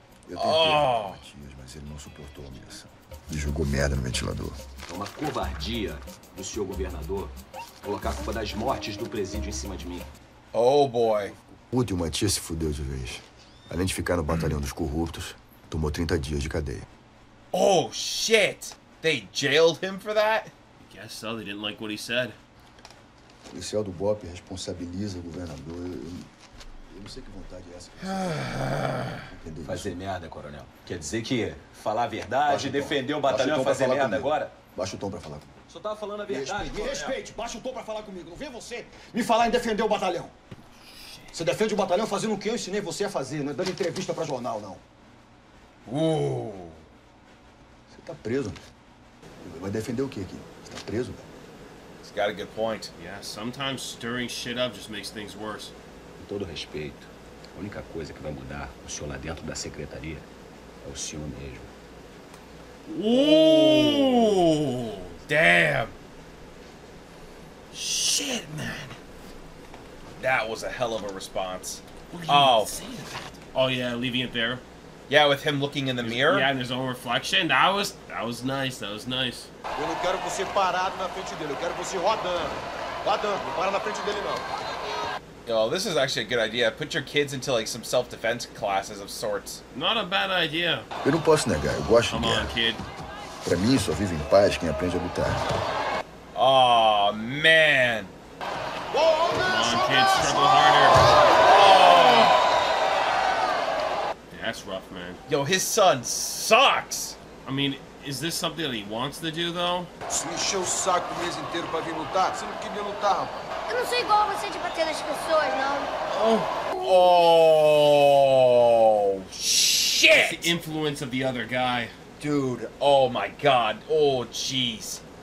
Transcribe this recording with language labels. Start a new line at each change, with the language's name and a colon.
Portuguese: Matias, mas ele não suportou a missão. Ele jogou merda no ventilador. É uma covardia do senhor governador colocar a culpa das mortes do presídio em cima de mim.
English: Oh, boy.
Portuguese: Puta, e o Matias se fudeu de vez. Além de ficar no batalhão dos corruptos, tomou 30 dias de cadeia.
English: Oh, shit! They jailed him for that? I guess so, they didn't like what he said.
Portuguese: O policial do BOP responsabiliza o governador. Eu não sei que vontade é essa. Entendeu? Fazer merda, coronel. Quer dizer que falar a verdade, defender o batalhão, fazer merda agora? Baixa o tom pra falar comigo. Só tava falando a verdade. Me respeite, baixa o tom pra falar comigo. Não vem você me falar em defender o batalhão. Você defende o batalhão fazendo o que eu ensinei você a fazer, não é dando entrevista pra jornal, não. Você tá preso. Vai defender o que aqui? Você tá preso?
English: He's got a good point. Yeah, sometimes stirring shit up just makes things worse.
Portuguese: Com todo respeito, a única coisa que vai mudar o senhor lá dentro da secretaria é o senhor mesmo.
English: Damn. Shit, man. That was a hell of a response. What are you saying about? Oh yeah, leaving it there. Yeah, with him looking in the mirror. Yeah, and his own reflection. That was nice. That was nice.
Portuguese: Eu não quero você parado na frente dele. Eu quero você rodando. Não para na frente dele, não.
English: Yo, this is actually a good idea. Put your kids into like some self-defense classes of sorts. Not a bad idea.
Portuguese: Eu não posso negar. Eu gosto de guerra.
English: Come on, kid.
Portuguese: Pra mim, só vive em paz quem aprende a lutar.
English: Oh, man. Come on, kid, struggle harder. Oh. Yeah, that's rough, man. Yo, his son sucks. I mean, is this something that he wants to do, though?
Portuguese: Se encheu o saco o mês inteiro pra vir lutar, você não queria lutar, rapaz. Eu não sou igual a você de bater nas pessoas, não.
English: Oh, shit! The influence of the other guy. Dude, oh my god, oh jeez.